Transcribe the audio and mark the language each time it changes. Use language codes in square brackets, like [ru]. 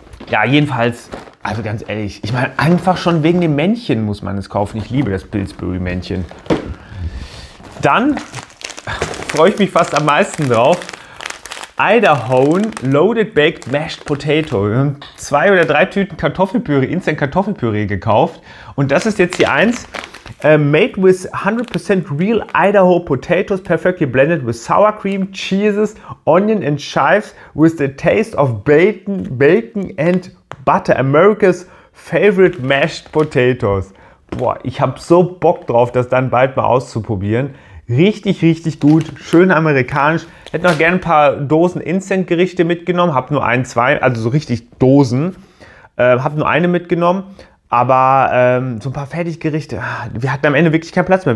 [de] Ja, jedenfalls, also ganz ehrlich, ich meine, einfach schon wegen dem Männchen muss man es kaufen. Ich liebe das Pillsbury-Männchen. Dann freue ich mich fast am meisten drauf. Idaho Loaded Baked Mashed Potato. Wir haben 2 oder 3 Tüten Kartoffelpüree, Instant Kartoffelpüree gekauft. Und das ist jetzt die eins. [en] Made with 100% real Idaho potatoes, perfectly blended with sour cream, cheeses, onion and chives, with the taste of bacon and butter. America's favorite mashed potatoes. [de] Boah, ich habe so Bock drauf, das dann bald mal auszuprobieren. Richtig, richtig gut, schön amerikanisch. Hätte noch gerne ein paar Dosen Instant-Gerichte mitgenommen. Hab nur eine mitgenommen. Aber so ein paar Fertiggerichte, wir hatten am Ende wirklich keinen Platz mehr.